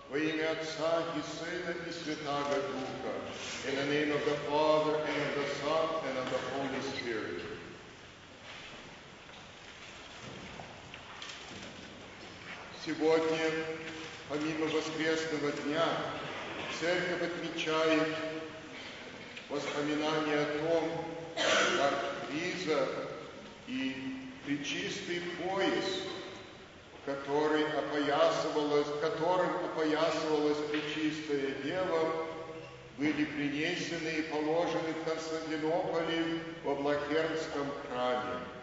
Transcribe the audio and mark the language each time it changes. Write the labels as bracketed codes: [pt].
[ru] Во имя Отца и Сына и Святаго Духа. [en] In the name of the Father, and of the Son, and of the Holy Spirit. [ru] Сегодня, помимо воскресного дня, Церковь отмечает воспоминание о том, как Лиза и Пречистый пояс, которым опоясывалась Пречистая Дева, были принесены и положены в Константинополе в Облахернском храме.